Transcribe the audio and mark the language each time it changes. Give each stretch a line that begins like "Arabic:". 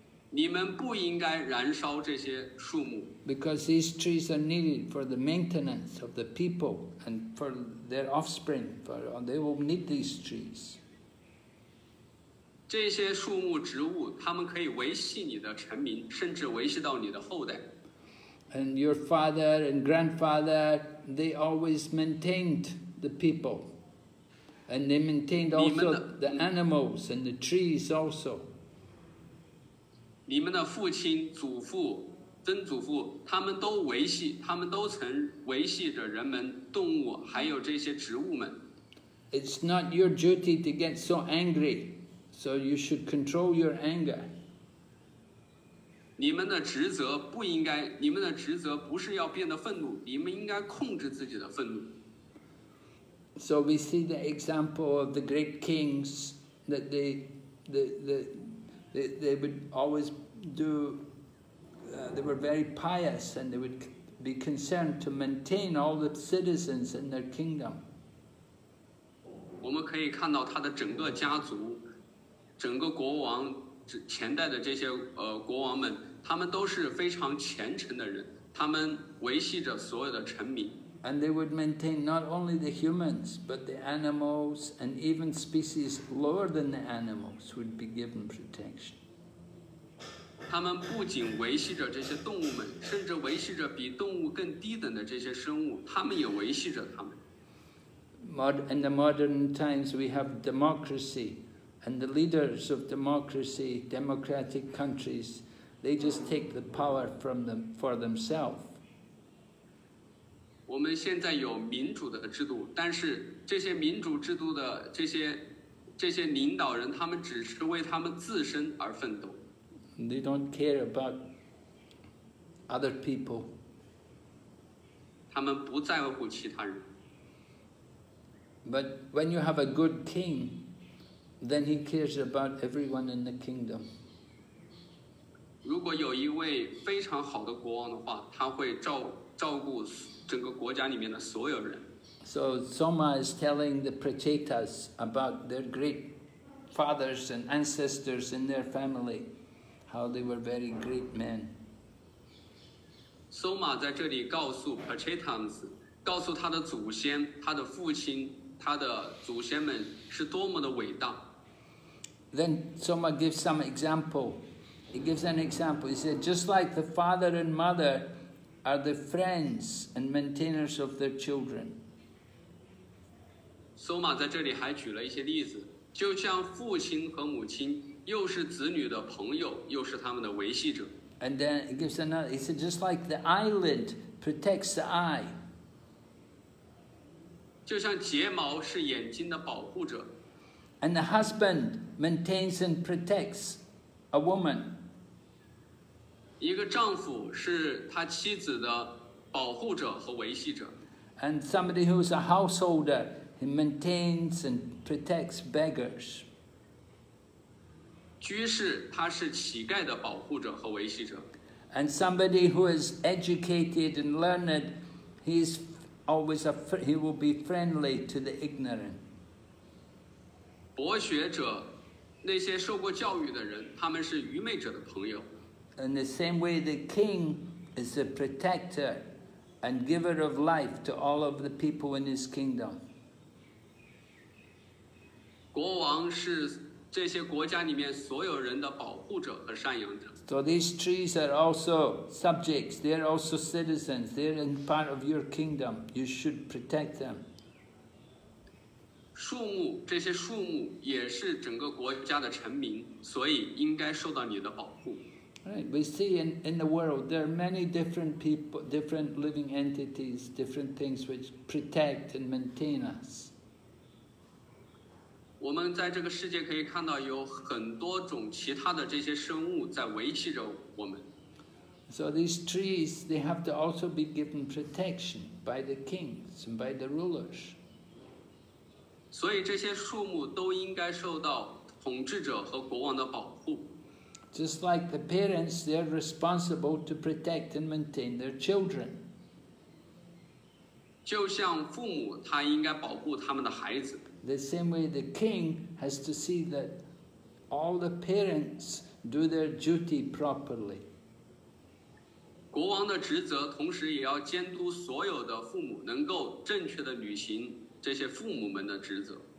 Chinese: 你们不应该燃烧这些树木。
English: Because these trees are needed for the maintenance of the people and for their offspring. For they will need these trees.
Chinese: 这些树木植物，它们可以维系你的臣民，甚至维系到你的后代。
English: And your father and grandfather, they always maintained the people. And they maintained also the animals and the trees also.
Chinese: 你们的父亲、祖父、曾祖父，他们都维系，他们都曾维系着人们、动物，还有这些植物们。
English: It's not your duty to get so angry, so you should control your anger.
Chinese: 你们的职责不应该，你们的职责不是要变得愤怒，你们应该控制自己的愤怒。
English: So we see the example of the great kings that they would always do. They were very pious and they would be concerned to maintain all the citizens in their kingdom.
Chinese: 我们可以看到他的整个家族，整个国王，前代的这些国王们。他们都是非常虔诚的人，他们维系着所有的臣民。
English: And they would maintain not only the humans, but the animals, and even species lower than the animals would be given protection.
Chinese: 他们不仅维系着这些动物们，甚至维系着比动物更低等的这些生物，他们也维系着他们。
English: In the modern times, we have democracy, and the leaders of democracy, democratic countries,They just take the power from them for themselves.
Chinese: 我们现在有民主的制度，但是这些民主制度的这些领导人，他们只是为他们自身而奋斗。
English: They don't care about other people.
Chinese: 他们不在乎其他人。
English: But when you have a good king, then he cares about everyone in the kingdom.
Chinese: 如果有一位非常好的国王的话，他会照顾整个国家里面的所有人。
English: So Soma is telling the Pratetas about their great fathers and ancestors in their family, how they were very great men.
Chinese: Soma 在这里告诉 Pratetas， 告诉他的祖先、他的父亲、他的祖先们是多么的伟大。
English: Then Soma gives some example. He gives an example. He said, just like the father and mother are the friends and maintainers of their children.
Chinese: Soma 在这里还举了一些例子，就像父亲和母亲又是子女的朋友，又是他们的维系者。
English: And then he gives another. He said, just like the eyelid protects the eye.
Chinese: 就像睫毛是眼睛的保护者。
English: And the husband maintains and protects a woman.
Chinese: 一个丈夫是他妻子的保护者和维系者。
English: And somebody who is a householder, he maintains and protects beggars.
Chinese: 居士他是乞丐的保护者和维系者。
English: And somebody who is educated and learned, he will be friendly to the ignorant.
Chinese: 博学者，那些受过教育的人，他们是愚昧者的朋友。
English: In the same way, the king is a protector and giver of life to all of the people in his kingdom.
Chinese: 国王是这些国家里面所有人的保护者和赡养者。
English: So these trees are also subjects. They are also citizens. They are in part of your kingdom. You should protect them.
Chinese: 树木，这些树木也是整个国家的臣民，所以应该受到你的保护。
English: Right. We see in the world there are many different people, different living entities, different things which protect and maintain us.
Chinese: 我们在这个世界可以看到有很多种其他的这些生物在维系着我们。
English: So these trees, they have to also be given protection by the kings and by the rulers.
Chinese: 所以这些树木都应该受到统治者和国王的保护。
English: Just like the parents, they are responsible to protect and maintain their children.
Chinese: 就像父母他应该保护他们的孩子。
English: The same way the king has to see that all the parents do their duty properly.
Chinese: 国王的职责同时也要监督所有的父母能够正确地履行这些父母们的职责。